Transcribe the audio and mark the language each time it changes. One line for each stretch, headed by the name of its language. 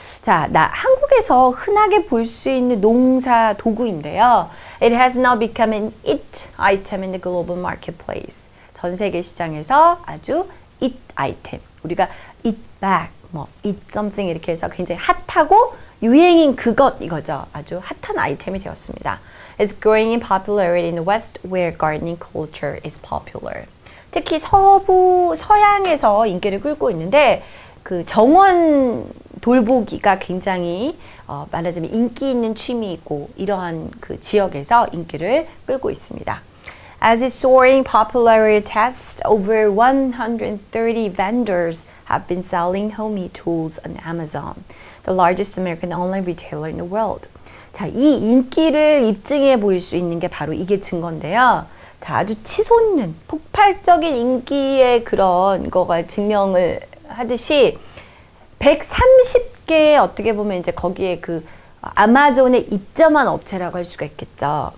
Korean: 자, 한국에서 흔하게 볼 수 있는 농사 도구인데요.
English: It has now become an it item in the global marketplace.
Korean: 전 세계 시장에서 아주 it item. 우리가 it bag, 뭐 it something 이렇게 해서 굉장히 핫하고 유행인 그것 이거죠. 아주 핫한 아이템이 되었습니다.
English: It's growing in popularity in the West where gardening culture is popular.
Korean: 특히 서양에서 인기를 끌고 있는데 그 정원 돌보기가 굉장히 말하자면 인기 있는 취미이고 이러한 그 지역에서 인기를 끌고 있습니다.
English: As its soaring popularity tests, over 130 vendors have been selling Homey tools on Amazon, the largest American online retailer in the world.
Korean: 자, 이 인기를 입증해 보일 수 있는 게 바로 이게 증거인데요. 자, 아주 치솟는 폭발적인 인기의 그런 거가 증명을 하듯이 130개의 어떻게 보면 이제 거기에 그 아마존에 입점한 업체라고 할 수가 있겠죠.